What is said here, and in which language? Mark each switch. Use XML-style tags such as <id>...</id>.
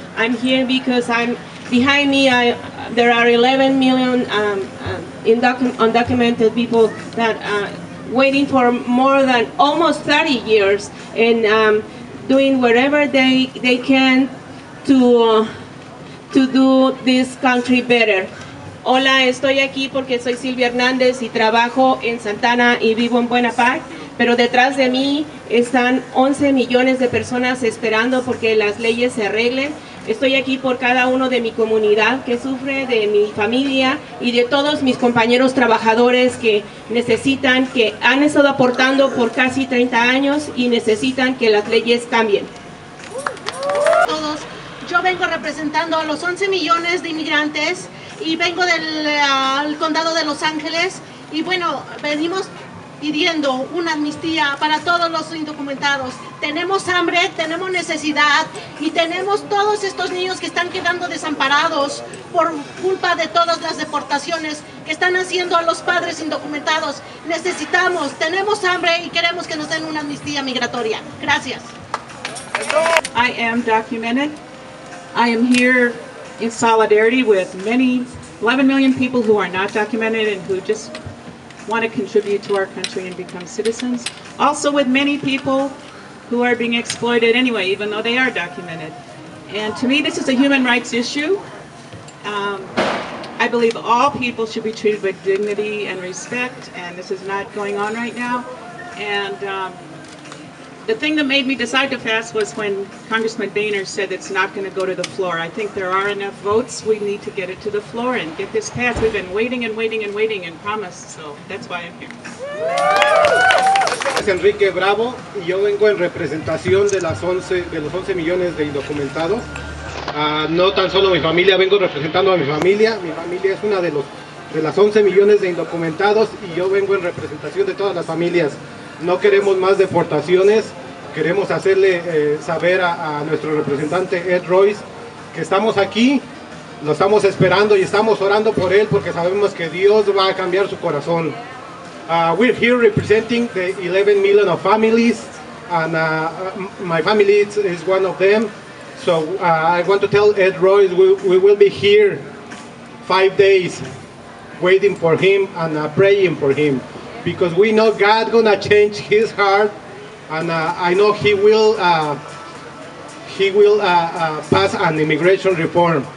<en>I'm here because behind me there are 11 million undocumented people that waiting for more than almost 30 years and doing whatever they can to do this country better.</en> <es>Hola, estoy aquí porque soy Silvia Hernández y trabajo en Santana y vivo en Buena Park, pero detrás de mí están 11 millones de personas esperando porque las leyes se arreglen. Estoy aquí por cada uno de mi comunidad que sufre, de mi familia y de todos mis compañeros trabajadores que necesitan, que han estado aportando por casi 30 años y necesitan que las leyes cambien. Todos, yo vengo representando a los 11 millones de inmigrantes y vengo del condado de Los Ángeles y bueno, venimos pidiendo una amnistía para todos los indocumentados. Tenemos hambre, tenemos necesidad y tenemos todos estos niños que están quedando desamparados por culpa de todas las deportaciones que están haciendo a los padres indocumentados. Tenemos hambre y queremos que nos den una amnistía migratoria. Gracias.</es> <en>I am documented. I am here in solidarity with many 11 million people who are not documented and who just want to contribute to our country and become citizens. Also with many people who are being exploited anyway, even though they are documented. And to me, this is a human rights issue. I believe all people should be treated with dignity and respect, and this is not going on right now. And the thing that made me decide to fast was when Congressman Boehner said it's not going to go to the floor. I think there are enough votes. We need to get it to the floor and get this passed. We've been waiting and waiting and waiting and promised, so that's why I'm here.</en> <es>Es Enrique Bravo y yo vengo en representación de las 11 de los 11 millones de indocumentados. No tan solo mi familia, vengo representando a mi familia. Mi familia es una de las 11 millones de indocumentados y yo vengo en representación de todas las familias. No queremos más deportaciones. Queremos hacerle saber a nuestro representante Ed Royce que estamos aquí, lo estamos esperando y estamos orando por él porque sabemos que Dios va a cambiar su corazón.</es> <en>We're here representing the 11 million of families, and my family is one of them. So I want to tell Ed Royce we will be here 5 days waiting for him and praying for him, because we know God gonna change his heart, and I know he will pass an immigration reform.</en>